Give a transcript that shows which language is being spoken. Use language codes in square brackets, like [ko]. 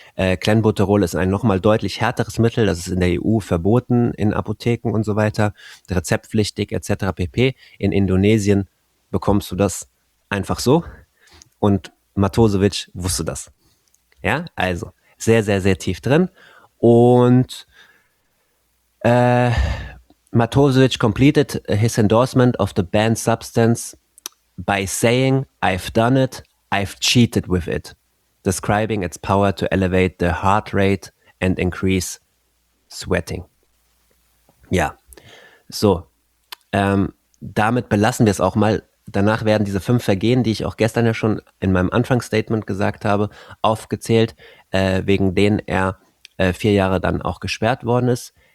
[de] Clenbuterol ist ein nochmal deutlich härteres Mittel, das ist in der EU verboten in Apotheken und so weiter, rezeptpflichtig etc. pp. In Indonesien bekommst du das einfach so und Matosevic wusste das. Ja, also sehr, sehr, sehr tief drin. [en] Und Matosevic completed his endorsement of the banned substance by saying, I've done it, I've cheated with it, describing its power to elevate the heart rate and increase sweating. [de] Ja, so, damit belassen wir es auch mal. Danach werden diese 5 Vergehen, die ich auch gestern ja schon in meinem Anfangsstatement gesagt habe, aufgezählt, wegen denen er 4 Jahre dann auch gesperrt worden ist.